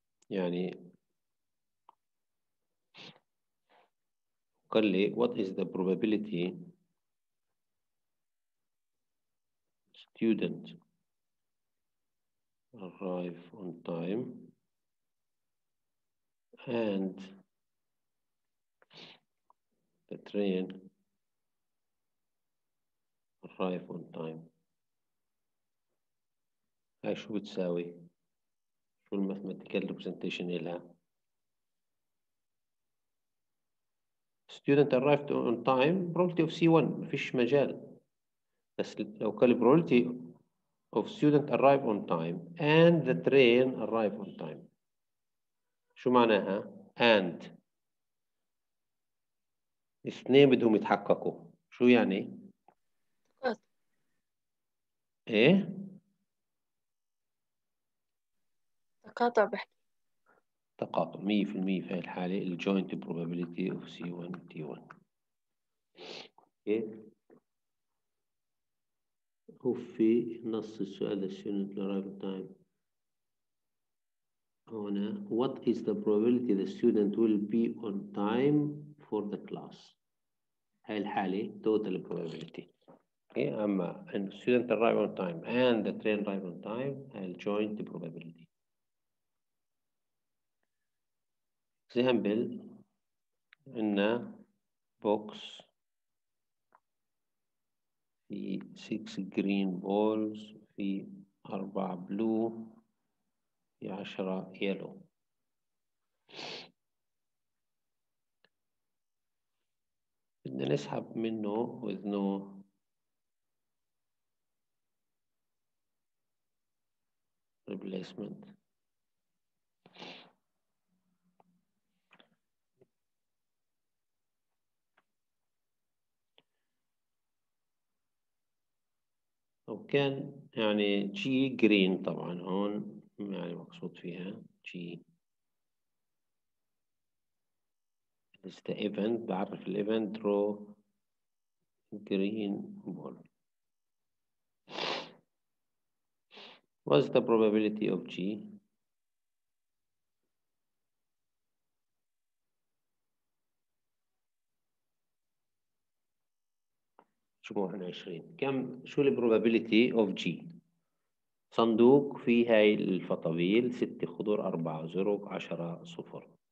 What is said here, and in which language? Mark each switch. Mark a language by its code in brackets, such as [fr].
[ar] يعني قال لي [en] what is the probability student arrive on time and the train arrive on time. [ar] هاي شو بتساوي؟ شو الماثماتيكال ريبريزنتيشن لها؟ [en] student arrived on time probability of C1 [ar] ما فيش مجال، بس لو قال [en] probability of student arrive on time [ar] and the train arrive on time، شو معناها؟ and اثنين بدهم يتحققوا، شو يعني؟ ايه؟ تقاطع بحكي تقاطع 100% في هاي الحالة الـ [en] joint probability of C1 T1. [ar] إيه؟ وفي نص السؤال [en] the student arrive on time. [ar] هنا [en] what is the probability the student will be on time for the class؟ [ar] هاي الحالة [en] total probability. [ar] إيه؟ أما [en] and student arrive on time and the train arrive on time [ar] هاي الـ [en] joint probability. example [ar] عندنا [en] box في 6 green balls في 4 blue في 10 yellow. [ar] بدنا نسحب منه [en] with no replacement. [ar] أو كان يعني جي جرين طبعا هون يعني مقصود فيها جي [en] is the event، [ar] بعرف ال event [en] draw green ball. What's the probability of G؟ [ar] شو 20 كم؟ شو الـ [en] probability of G؟ [ar] صندوق فيه هاي الفطابيل، 6 خضر، 4 زرق، 10 صفر.